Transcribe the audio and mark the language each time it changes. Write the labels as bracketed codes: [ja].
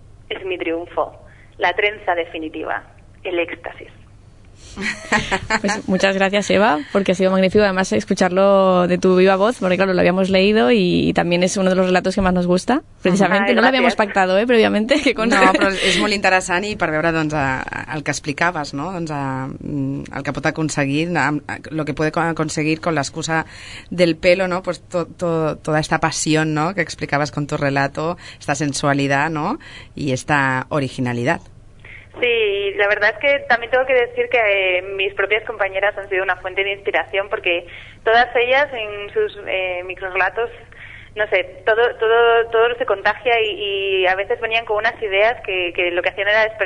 [es] Es mi triunfo, la trenza definitiva, el éxtasis. Pues muchas gracias, Eva, porque ha sido magnífico además escucharlo de tu viva voz, porque claro, lo habíamos leído y también es uno de los relatos que más nos gusta, precisamente. Ay, no lo habíamos pactado, previamente, que con... [ca] No, però és molt interessant, i per veure doncs el que explicaves, no? Doncs el que pot aconseguir, [es] lo que puede conseguir con l'excusa del pelo, no? Pues toda esta pasión, no? Que explicabas con tu relato, esta sensualidad, no? Y esta originalidad. Sí, la verdad es que también tengo que decir que mis propias compañeras han sido una fuente de inspiración, porque todas ellas en sus microrelatos, no sé, todo se contagia y a veces venían con unas ideas que lo que hacían era...